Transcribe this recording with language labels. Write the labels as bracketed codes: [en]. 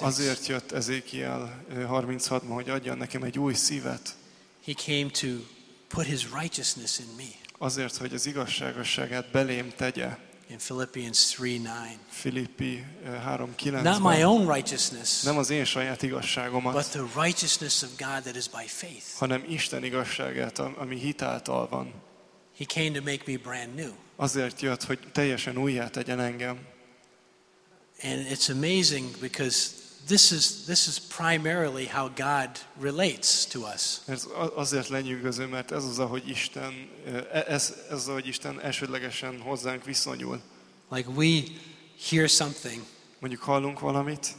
[hu] Azért jött Ezekiel 36-ban, hogy adjon nekem egy új szívet. [en] He came to put his righteousness in me. [hu] Azért, hogy az igazságosságát belém tegye. [en] In Philippians 3:9. [hu] Filippi 3:9. [en] Not my own righteousness. [hu] Nem az én saját igazságomat. [en] But the righteousness of God that is by faith. [hu] Hanem Isten igazságát, ami hit által van. [en] He came to make me brand new. [hu] Azért jött, hogy teljesen újjá tegyen engem. [en] And it's amazing because this is primarily how God relates to us. [hu] Ez azért lenyűgöző, mert ez az, ahogy Isten ez ahogy Isten elsődlegesen hozzánk viszonyul. [en] Like we hear something. [hu] Mondjuk hallunk valamit.